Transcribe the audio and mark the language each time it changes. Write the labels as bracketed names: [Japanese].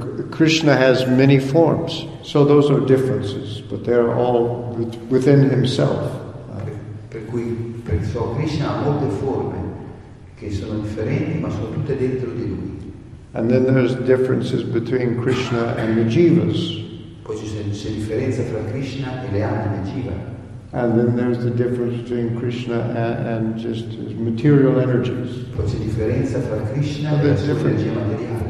[English] Krishna has many forms, so those are differences, but they are all within himself. [Italian] Per cui Krishna ha molte forme che sono differenti, ma sono tutte dentro di lui. [English] And then there's differences between Krishna and the jivas. [Italian] Poi c'è differenza fra Krishna e le anime jiva. [English] And then there's the difference between Krishna and just his material energies. [Italian] Poi c'è differenza fra Krishna e la sua energia materiale.